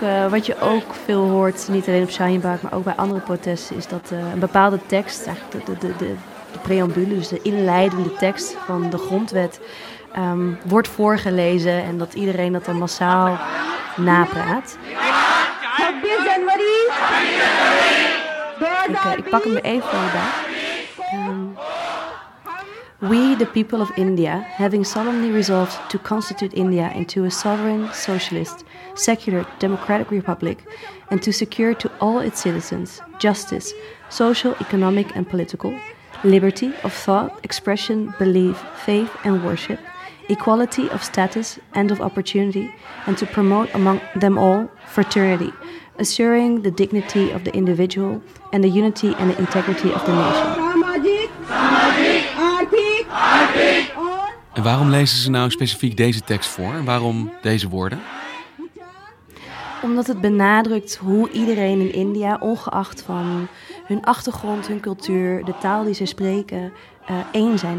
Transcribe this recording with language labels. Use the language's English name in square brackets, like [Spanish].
[Dutch] Wat je ook veel hoort, niet alleen op Shaheen Bagh, maar ook bij andere protesten, is dat een bepaalde tekst, eigenlijk de preambule, dus de inleidende tekst van de grondwet, wordt voorgelezen en dat iedereen dat dan massaal napraat. Ik pak hem even voor je bij. [English] We, the people of India, having solemnly resolved to constitute India into a sovereign, socialist, secular, democratic republic, and to secure to all its citizens justice, social, economic, and political, liberty of thought, expression, belief, faith, and worship, equality of status and of opportunity, and to promote among them all fraternity, assuring the dignity of the individual and the unity and the integrity of the nation. [Dutch] En waarom lezen ze nou specifiek deze tekst voor? En waarom deze woorden? Omdat het benadrukt hoe iedereen in India, ongeacht van hun achtergrond, hun cultuur, de taal die ze spreken, één zijn.